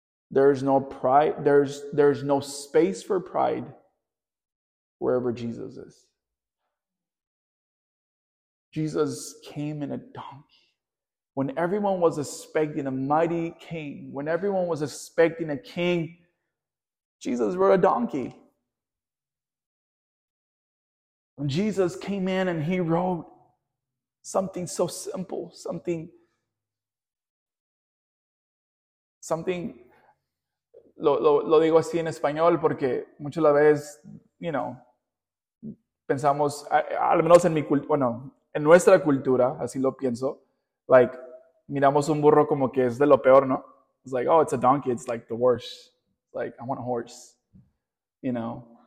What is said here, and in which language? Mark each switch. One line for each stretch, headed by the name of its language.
English: There's no pride, there's no space for pride wherever Jesus is. Jesus came in a donkey. When everyone was expecting a mighty king, when everyone was expecting a king, Jesus rode a donkey. When Jesus came in and He wrote something so simple,
Spanish: something, lo digo así en español porque muchas veces, you know, pensamos, al menos en mi cultura, bueno, en nuestra cultura, así lo pienso, like, miramos un burro como que es de lo peor, ¿no?
English: It's like, oh, it's a donkey, it's like the worst. Like, I want a horse, you know.